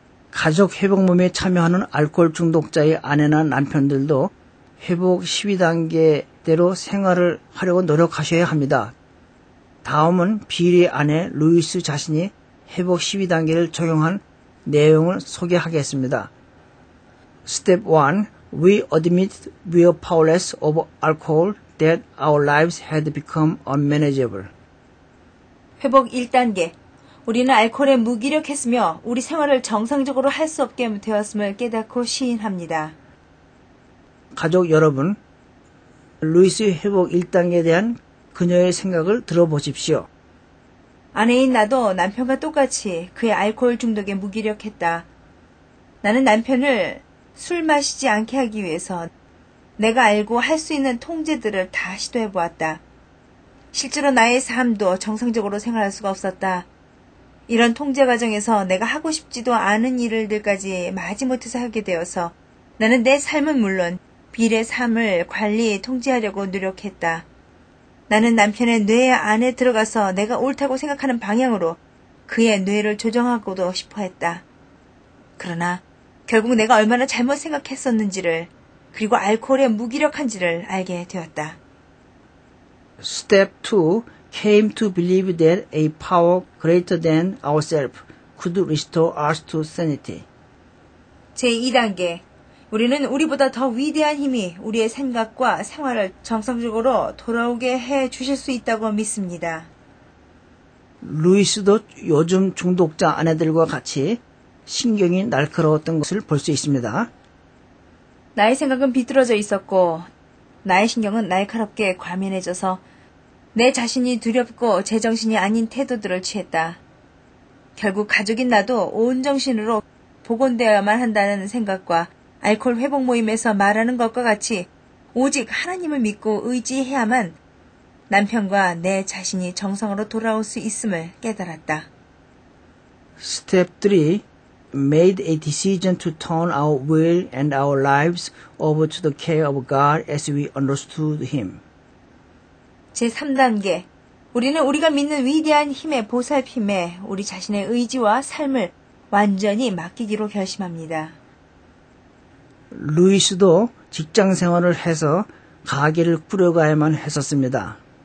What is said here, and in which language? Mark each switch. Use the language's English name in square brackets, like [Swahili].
[Korean] 가족 회복 모임에 참여하는 알코올 중독자의 아내나 남편들도 회복 12단계대로 생활을 하려고 노력하셔야 합니다. 다음은 빌의 아내 루이스 자신이 회복 12단계를 적용한 내용을 소개하겠습니다. [English] Step 1. We admit we are powerless of alcohol that our lives had become unmanageable. [Korean] 회복 1단계. 우리는 알코올에 무기력했으며 우리 생활을 정상적으로 할 수 없게 되었음을 깨닫고 시인합니다. 가족 여러분, 루이스의 회복 1단계에 대한 그녀의 생각을 들어보십시오. 아내인 나도 남편과 똑같이 그의 알코올 중독에 무기력했다. 나는 남편을 술 마시지 않게 하기 위해서 내가 알고 할 수 있는 통제들을 다 시도해보았다. 실제로 나의 삶도 정상적으로 생활할 수가 없었다. 이런 통제 과정에서 내가 하고 싶지도 않은 일들까지 마지못해서 하게 되어서 나는 내 삶은 물론 빌의 삶을 관리, 통제하려고 노력했다. 나는 남편의 뇌 안에 들어가서 내가 옳다고 생각하는 방향으로 그의 뇌를 조정하고도 싶어 했다. 그러나 결국 내가 얼마나 잘못 생각했었는지를 그리고 알코올에 무기력한지를 알게 되었다. [English] Step 2. Came to believe that a power greater than ourselves could restore us to sanity. [Korean] 제2단계. 우리는 우리보다 더 위대한 힘이 우리의 생각과 생활을 정상적으로 돌아오게 해 주실 수 있다고 믿습니다. 루이스도 요즘 중독자 아내들과 같이 신경이 날카로웠던 것을 볼 수 있습니다. 나의 생각은 비뚤어져 있었고 나의 신경은 날카롭게 과민해져서 내 자신이 두렵고 제정신이 아닌 태도들을 취했다. 결국 가족인 나도 온 정신으로 복원되어야만 한다는 생각과 알코올 회복 모임에서 말하는 것과 같이 오직 하나님을 믿고 의지해야만 남편과 내 자신이 정상으로 돌아올 수 있음을 깨달았다. [English] Step 3. Made a decision to turn our will and our lives over to the care of God as we understood Him. [Korean] 제3단계. 우리는 우리가 믿는 위대한 힘의 보살핌에 우리 자신의 의지와 삶을 완전히 맡기기로 결심합니다. 루이스도 직장 생활을 해서 가게를 꾸려가야만 했었습니다.